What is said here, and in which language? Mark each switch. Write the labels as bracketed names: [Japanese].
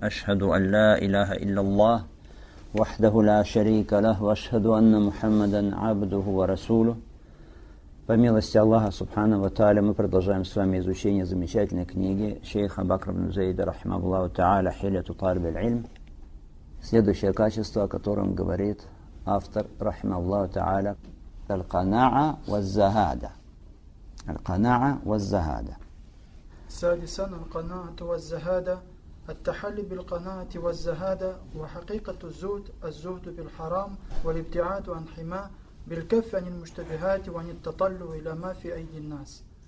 [Arabic] أشهد أن لا إله إلا الله وحده لا شريك له، وأشهد أن محمدا عبده ورسوله. بمилости الله سبحانه وتعالى [Russian] мы продолжаем с вами изучение замечательной книги [Arabic] شيخ بكر بن زيد رحمه الله تعالى حلة طالب العلم. [Russian] Следующее качество, о котором говорит автор, رحمه الله تعالى, [Arabic] القناعة والزهادة. القناعة والزهادة. سادسا القناعة والزهادة، التحلي بالقناعة والزهادة وحقيقة الزهد، الزهد بالحرام والابتعاد عن حما بالكف عن المشتبهات وعن التطلع إلى ما في أيدي الناس.